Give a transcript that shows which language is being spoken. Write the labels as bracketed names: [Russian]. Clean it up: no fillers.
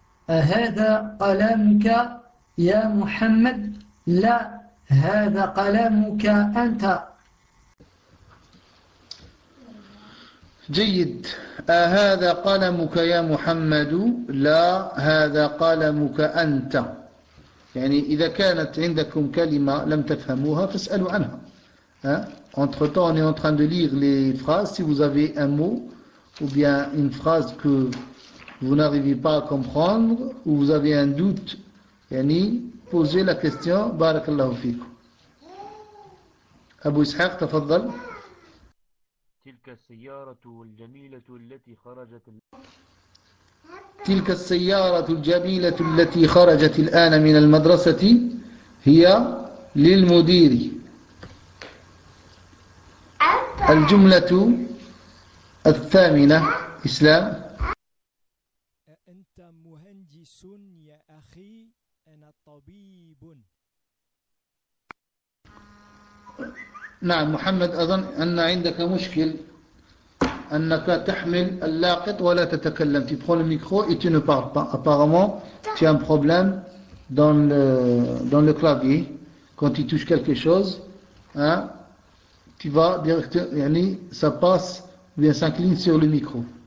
[Arabic] أهذا قلمك يا محمد؟ لا هذا قلمك أنت. جيد، أهذا قلمك يا محمد؟ لا هذا قلمك أنت. يعني إذا كانت عندكم كلمة لم تفهموها فاسألوا عنها. [French] Entre temps, on est en train de lire les phrases. Si vous avez un mot ou bien une phrase que vous n'arrivez pas à comprendre ou vous avez un doute, [Arabic] yani, [French] posez la question. [Arabic] Barakallahu fikou. Abu Ishaq, tafaddal. تلك السيارة الجميلة التي خرجت تلك السيارة الجميلة التي خرجت الآن من المدرسة هي للمدير. الجملة الثامنة إسلام. أنت مهندس يا أخي؟ أنا طبيب. نعم محمد، أظن أن عندك مشكل أنك تحمل اللاقط ولا تتكلم. [French] Tu prends le micro et tu ne parles pas. Apparemment, tu as un problème dans le clavier. Quand tu touches quelque chose, hein, tu vas directement, [Arabic] yani, [French] ça passe ou bien s'incline sur le micro.